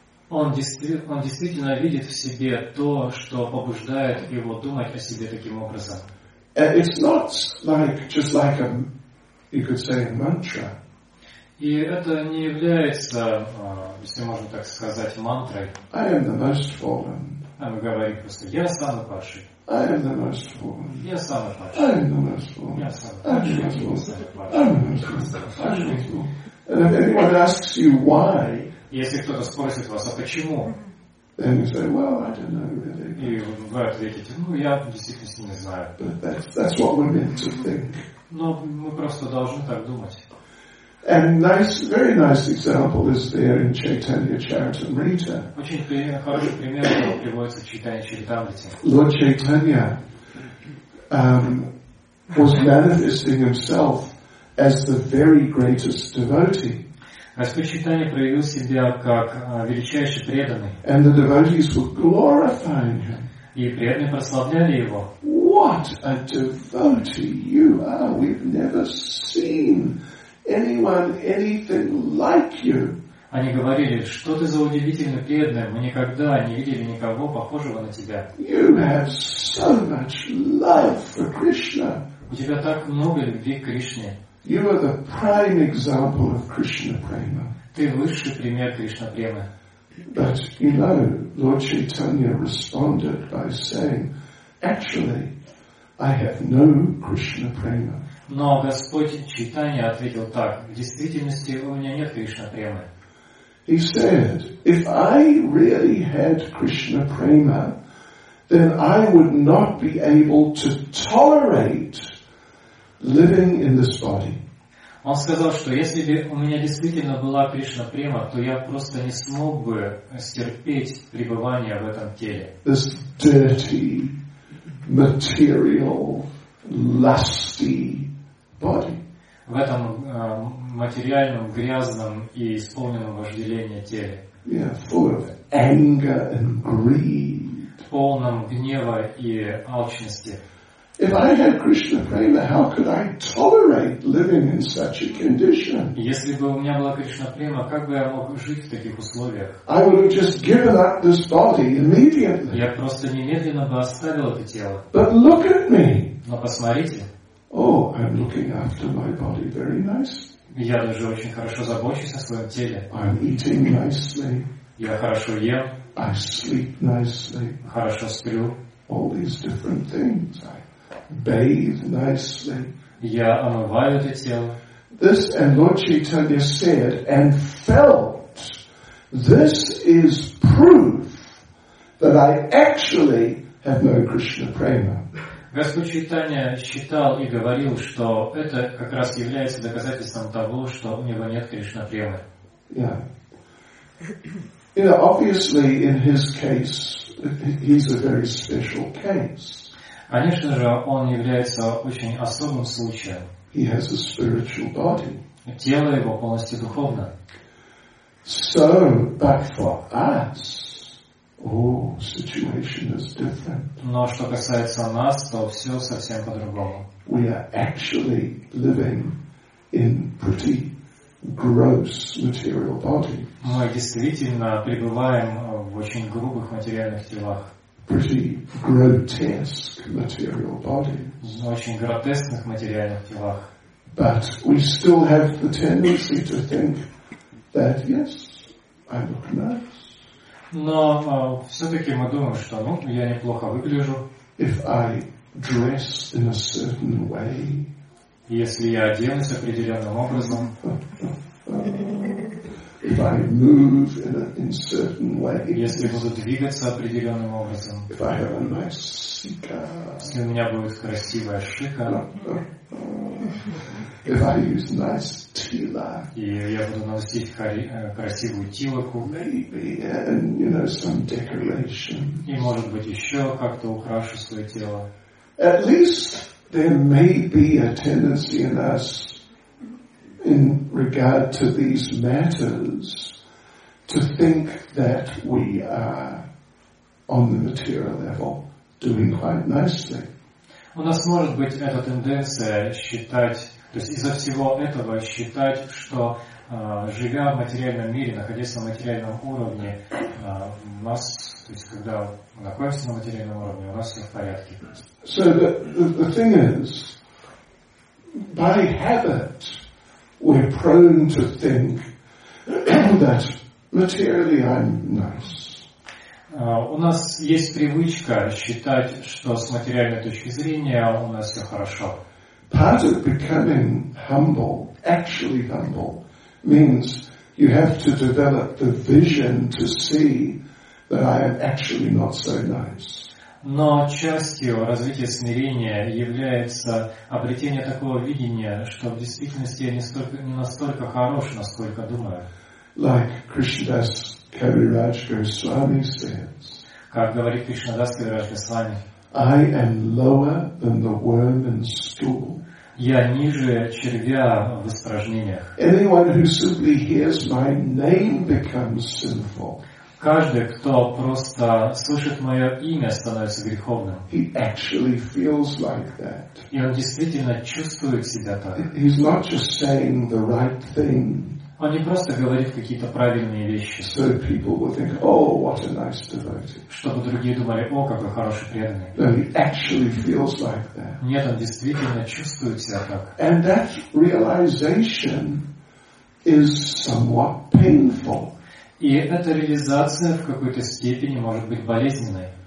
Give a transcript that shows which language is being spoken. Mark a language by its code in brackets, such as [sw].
[ru] Он действительно видит в себе то, что побуждает его думать о себе таким образом. [en] It's not like just like a, you could say, a mantra. [ru] И это не является, если можно так сказать, мантрой. [en] I am the most fallen. [ru] А мы говорим просто, я самый падший. [en] I am the most fallen. [ru] Я самый падший. [en] I am the most fallen. [ru] Я самый падший. [en] I am the most fallen. I am the most fallen. I am the most fallen. And if anyone asks you why, [ru] если кто-то спросит вас, а почему? [en] Then you say, well, I don't know really. [ru] И вы ответите, ну, я действительно не знаю. [en] But that's what we're meant to think. [ru] Но мы просто должны так думать. [en] And nice, very nice example is there in Chaitanya Charitamrita. [ru] Очень хороший пример приводится в Чайтанья Чаритамрите. [en] Lord Chaitanya was manifesting himself as the very greatest devotee. [ru] Господь Чайтанья проявил себя как величайший преданный. [en] And the devotees were glorifying him. [ru] И преданные прославляли его. [en] What a devotee you are! We've never seen anyone, anything like you. [ru] Они говорили, что ты за удивительный преданный, мы никогда не видели никого похожего на тебя. [en] You have so much love for Krishna. [ru] У тебя так много любви к Кришне. [en] You are the prime example of Krishna prema. [ru] Ты высший пример Кришна премы. [en] But you know, Lord Chaitanya responded by saying, actually, I have no Krishna prema. [ru] Но Господь Чайтанья ответил так: в действительности у меня нет Кришна премы. [en] He said, if I really had Krishna prema, then I would not be able to tolerate living in this body. [ru] Он сказал, что если бы у меня действительно была Кришна према, то я просто не смог бы стерпеть пребывание в этом теле. [en] This dirty, material, lusty body. [ru] В этом материальном, грязном и исполненном вожделении теле. [en] Yeah, full of anger and greed. [ru] Полном гнева и алчности. [en] If I had Krishna prema, how could I tolerate living in such a condition? [ru] Если бы у меня была Кришна према, как бы я мог жить в таких условиях? [en] I would have just given up this body immediately. [ru] Я просто немедленно бы оставил это тело. [en] But look at me. [ru] Но посмотрите. [en] Oh, I'm looking after my body very nice. [ru] Я даже очень хорошо забочусь о своем теле. [en] I'm eating nicely. [ru] Я хорошо ем. [en] I sleep nicely. [ru] Хорошо сплю. [en] All these different things. I bathe nicely. [ru] Я омываю это тело. [en] This, and Lord Chaitanya said and felt, this is proof that I actually have no Krishna prema. [ru] Господь Чайтанья считал и говорил, что это как раз является доказательством того, что у него нет Кришна премы. [en] Yeah. You know, obviously, in his case, he's a very special case. [ru] Конечно же, он является очень особым случаем. [en] He has a spiritual body. [ru] Тело его полностью духовно. [en] So, but for us, oh, situation is different. [ru] Но что касается нас, то все совсем по-другому. [en] We are actually living in pretty gross material bodies. [ru] Мы действительно пребываем в очень грубых материальных телах. [en] Pretty grotesque material bodies. [ru] В очень гротескных материальных телах. [en] But we still have the tendency to think that yes, I look nice. [ru] Но все-таки мы думаем, что, ну, я неплохо выгляжу. [en] If I dress in a certain way, [ru] если я оденусь определенным образом, [en] if I move in certain way, [ru] если буду двигаться определенным образом, [en] if I have a nice shika, [ru] если у меня будет красивая шика, [en] if I use nice tila, [ru] и я буду носить красивую тилаку, [en] maybe, and, you know, some decoration, [ru] и, может быть, еще как-то украшу свое тело. [en] At least there may be a tendency in us in regard to these matters to think that we are on the material level doing quite nicely. [ru] У нас может быть эта тенденция считать, то есть из-за всего этого считать, что живя в материальном мире, находясь на материальном уровне, у нас, то есть когда мы находимся на материальном уровне, у нас все в порядке. [en] So the thing is, by habit, we're prone to think that materially I'm nice. [ru] У нас есть привычка считать, что с материальной точки зрения у нас все хорошо. [en] Part of becoming humble, actually humble, means you have to develop the vision to see that I am actually not so nice. [ru] Но частью развития смирения является обретение такого видения, что в действительности я не настолько хорош, насколько думаю. [en] Like Krishnadas Kaviraj Goswami says, [ru] как говорит Кришнадас Кавирадж Госвами, [en] I am lower than the worm in stool. [ru] Я ниже червя в испражнениях. [en] Anyone who simply hears my name becomes sinful. [ru] Каждый, кто просто слышит мое имя, становится греховным. [en] He actually feels like that. [ru] И он действительно чувствует себя так. [en] He's not just saying the right thing. [ru] Он не просто говорит какие-то правильные вещи. [en] So people will think, oh, what a nice devotee. [ru] Чтобы другие думали, о, какой хороший преданный. [en] No, he actually feels like that. [ru] Нет, он действительно чувствует себя так. [en] And that realization is somewhat painful. [ru] И эта реализация в какой-то степени может быть болезненной.